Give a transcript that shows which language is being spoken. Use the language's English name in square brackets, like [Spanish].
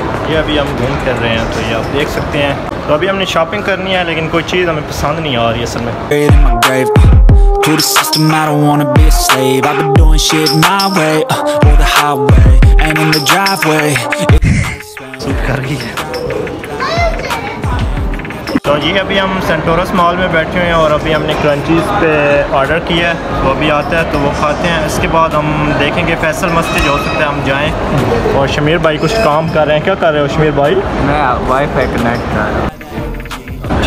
[Hindi] ये अभी हम घूम कर रहे हैं तो ये आप देख सकते हैं. तो अभी हमने शॉपिंग करनी है लेकिन कोई चीज़ हमें पसंद नहीं आ रही है सर में. [English] To the system, I don't wanna be a slave. I've been doing shit my way, or the highway, and in the driveway. [Hindi] Shoot kar gayi. तो ये अभी हम सेंटोरस मॉल में बैठे हुए हैं और अभी हमने क्रंचीज पे ऑर्डर किया है, वो अभी आता है तो वो खाते हैं. इसके बाद हम देखेंगे फैसल मस्जिद, हो सकता है हम जाएं. और शमीर भाई कुछ काम कर रहे हैं, क्या कर रहे हो शमीर भाई? मैं वाईफाई कनेक्ट कर रहा हूं.